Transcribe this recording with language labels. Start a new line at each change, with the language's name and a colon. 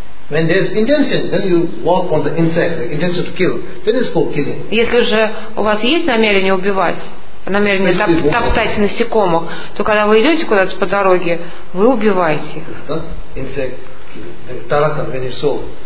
English: When there's intention, then you walk on the insect, the intention to kill, then it's called killing.
Russian: Если же у вас есть намерение убивать, намерение топтать насекомых, то когда вы идете куда-то по дороге, вы убиваете их.
English: Insect, like tarakan, when you saw.